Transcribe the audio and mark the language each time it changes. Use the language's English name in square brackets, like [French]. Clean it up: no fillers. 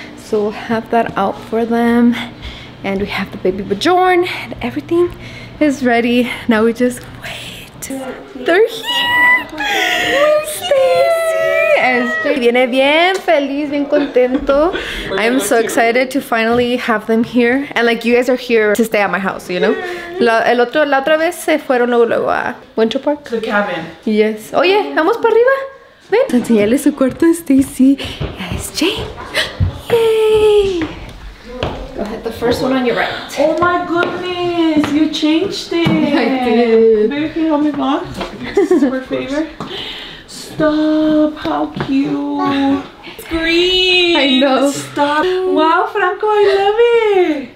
[English] So we'll have that out for them. And we have the baby Bajorn and everything is ready. Now we just wait. They're here! Stacey! [Spanish] SJ viene bien feliz, bien contento. [English] I am so excited to finally have them here. And like you guys are here to stay at my house, you know? [Spanish] La otra vez se fueron luego a Winter Park. [English] The cabin. [Spanish] Yes. Oye, vamos para arriba. Ven. Vamos a enseñarle su cuarto a Stacey. [English] SJ. Yay! Go ahead, the first one on your right. Oh my goodness, you changed it. I did. Maybe you can help me vlog. This is my favorite. Stop, how cute. It's green. I know. Stop. Wow, Franco, I love it.